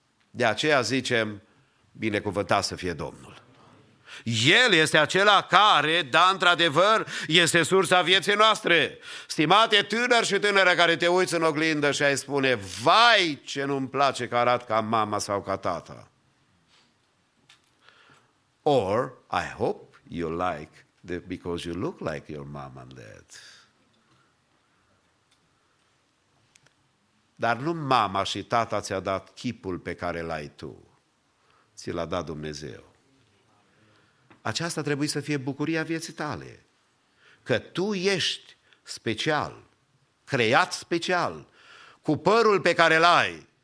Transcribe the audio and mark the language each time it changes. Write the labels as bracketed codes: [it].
[ro] De aceea zicem, binecuvântat să fie Domnul. El este acela care, da, într-adevăr, este sursa vieții noastre. Stimate tânăr și tânără care te uiți în oglindă și ai spune, vai ce nu-mi place că arat ca mama sau ca tata. [en] Or, I hope you like that because you look like your mom and dad. [ro] Dar nu mama și tata ți-a dat chipul pe care l-ai tu. Ți l-a dat Dumnezeu. Aceasta trebuie să fie bucuria vieții tale. Că tu ești special, creat special, cu părul pe care l-ai.